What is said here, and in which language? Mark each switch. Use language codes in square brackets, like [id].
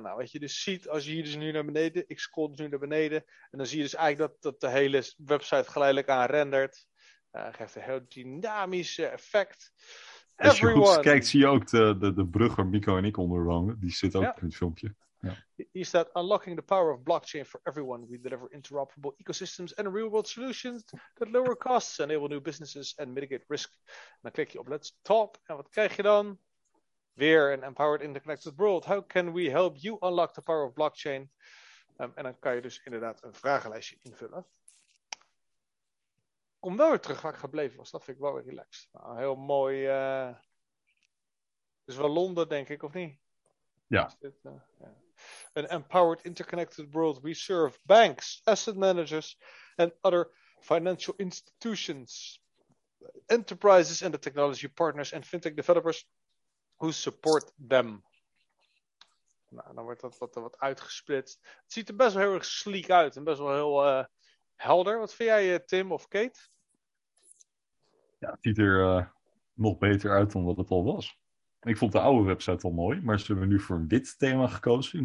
[nl] Nou, wat je dus ziet, als je hier dus nu naar beneden, ik scroll dus nu naar beneden, en dan zie je dus eigenlijk dat de hele website geleidelijk aan rendert. Geeft een heel dynamisch effect. Als je goed kijkt, zie je ook de brug waar Mico en ik onder hangen. Die zit ook in het filmpje. Hier staat, [en] unlocking the power of blockchain for everyone. We deliver interoperable ecosystems and real-world solutions that lower costs, enable new businesses and mitigate risk. [nl] En dan klik je op Let's Talk. En wat krijg je dan? Weer een [en] empowered interconnected world. How can we help you unlock the power of blockchain? [nl] En dan kan je dus inderdaad een vragenlijstje invullen. Kom wel weer terug waar ik gebleven was. Dat vind ik wel weer relaxed. Nou, heel mooi. Het is wel Londen, denk ik, of niet? Ja. [en] An empowered interconnected world. We serve banks, asset managers and other financial institutions, enterprises and the technology partners and fintech developers who support them. [nl] Nou, dan wordt dat wat uitgesplitst. Het ziet er best wel heel erg sleek uit en best wel heel helder. Wat vind jij, Tim of Kate? Ja, het ziet er nog beter uit dan wat het al was. Ik vond de oude website al mooi, maar ze hebben nu voor dit thema gekozen.